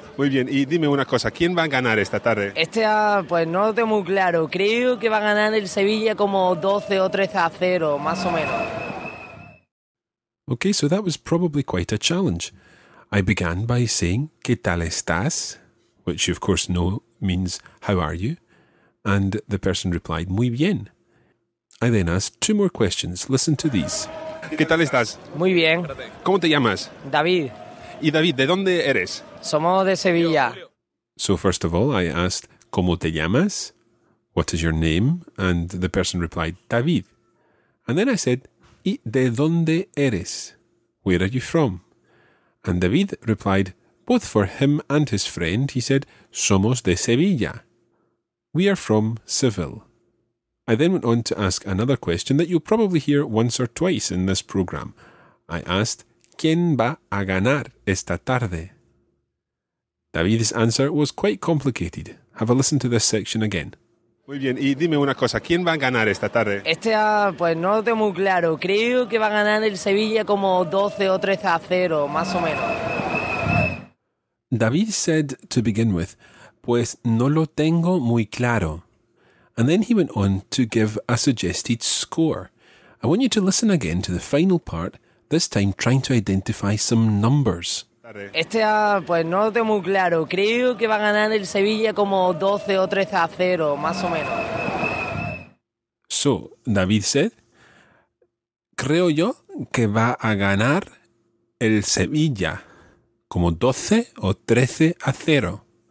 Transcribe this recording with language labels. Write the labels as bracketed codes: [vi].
[es] Muy bien, y dime una cosa, ¿quién va a ganar esta tarde? Pues no lo tengo muy claro, creo que va a ganar el Sevilla como 12-0, más o menos. [en] Okay, so that was probably quite a challenge. I began by saying, [es] ¿qué tal estás? [en] Which you of course know means, how are you? And the person replied, [es] muy bien. [en] I then asked two more questions, listen to these. [es] ¿Qué tal estás? Muy bien. ¿Cómo te llamas? David. ¿Y David, de dónde eres? Somos de Sevilla. [en] So first of all, I asked, [es] ¿cómo te llamas? [en] What is your name? And the person replied, David. And then I said, [es] ¿y de dónde eres? [en] Where are you from? And David replied, both for him and his friend, he said, [es] somos de Sevilla. [en] We are from Seville. I then went on to ask another question that you'll probably hear once or twice in this programme. I asked, [es] ¿quién va a ganar esta tarde? [en] David's answer was quite complicated. Have a listen to this section again. [es] Muy bien, y dime una cosa, ¿quién va a ganar esta tarde? Pues no lo tengo muy claro, creo que va a ganar el Sevilla como 12-0, más o menos. [en] David said to begin with, [es] pues no lo tengo muy claro. [en] And then he went on to give a suggested score. I want you to listen again to the final part, this time trying to identify some numbers. [es] Pues no lo tengo muy claro. Creo que va a ganar el Sevilla como 12-0, más o menos. [en] So, David said, [es] creo yo que va a ganar el Sevilla, como 12 o 13 a 0.